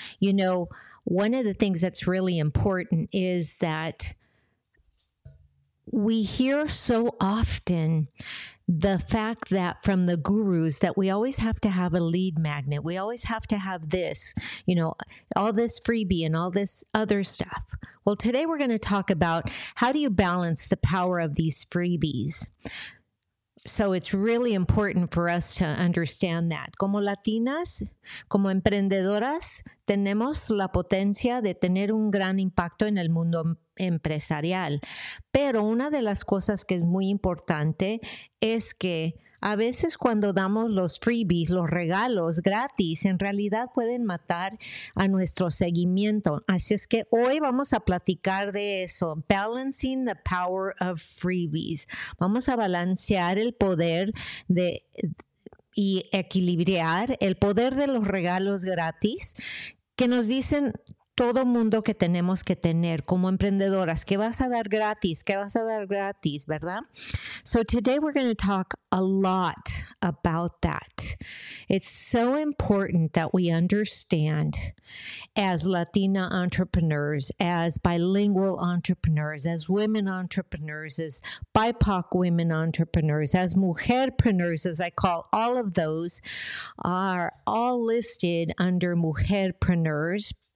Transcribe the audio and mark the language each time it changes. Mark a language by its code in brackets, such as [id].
[en] You know, one of the things that's really important is that we hear so often the fact that from the gurus that we always have to have a lead magnet. We always have to have this, you know, all this freebie and all this other stuff. Well, today we're going to talk about how do you balance the power of these freebies. So it's really important for us to understand that. [es] Como latinas, como emprendedoras, tenemos la potencia de tener un gran impacto en el mundo empresarial. Pero una de las cosas que es muy importante es que a veces cuando damos los freebies, los regalos gratis, en realidad pueden matar a nuestro seguimiento. Así es que hoy vamos a platicar de eso. [en] Balancing the power of freebies. [es] Vamos a balancear el poder de y equilibrar el poder de los regalos gratis que nos dicen todo mundo que tenemos que tener como emprendedoras. ¿Qué vas a dar gratis? ¿Qué vas a dar gratis? ¿Verdad? [en] So today we're going to talk a lot about that. It's so important that we understand as Latina entrepreneurs, as bilingual entrepreneurs, as women entrepreneurs, as BIPOC women entrepreneurs, as mujerpreneurs, as I call all of those, are all listed under mujerpreneurs.